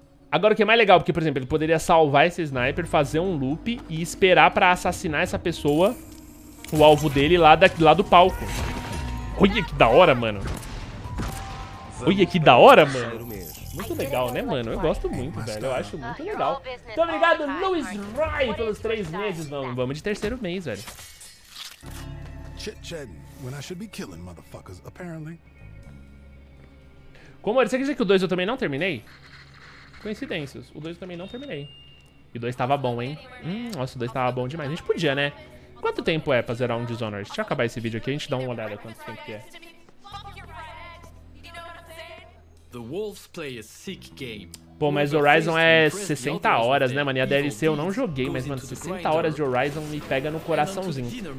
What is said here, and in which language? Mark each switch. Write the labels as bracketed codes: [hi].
[pt] Agora, o que é mais legal, porque, por exemplo, ele poderia salvar esse sniper, fazer um loop e esperar pra assassinar essa pessoa, o alvo dele, lá do palco. Olha que da hora, mano. Olha que da hora, mano. Muito legal, né, mano? Eu gosto muito, velho. Eu acho muito legal. Muito obrigado, Luiz Rai, pelos 3 meses. Não, vamos de terceiro mês, velho. [en] When I should be killing motherfuckers, apparently. [pt] Como era? Você quer dizer que o 2 eu também não terminei? Coincidências. O 2 eu também não terminei. E o 2 tava bom, hein? Nossa, o 2 tava bom demais. A gente podia, né? Quanto tempo é pra zerar um Dishonored? Deixa eu acabar esse vídeo aqui, a gente dá uma olhada quanto tempo que é. [en] The Wolves play a sick game. [pt] Pô, mas Horizon é 60 horas, né, mano? E a DLC eu não joguei, mas, mano, 60 horas de Horizon me pega no coraçãozinho.